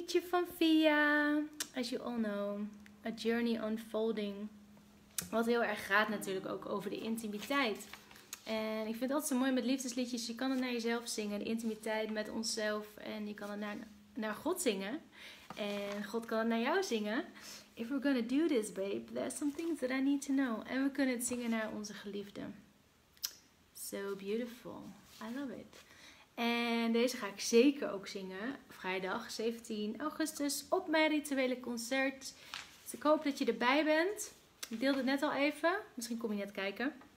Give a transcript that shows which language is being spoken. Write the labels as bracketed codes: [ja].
[en] Van Via, as you all know, A Journey Unfolding. [nl] Wat heel erg gaat natuurlijk ook over de intimiteit. En ik vind het altijd zo mooi met liefdesliedjes. Je kan het naar jezelf zingen, de intimiteit met onszelf. En je kan het naar God zingen. En God kan het naar jou zingen. [en] If we're gonna do this, babe, there's some things that I need to know. [nl] En we kunnen het zingen naar onze geliefde. [en] So beautiful. I love it. [nl] En deze ga ik zeker ook zingen. Vrijdag 17 augustus op mijn rituele concert. Dus ik hoop dat je erbij bent. Ik deelde het net al even. Misschien kom je net kijken.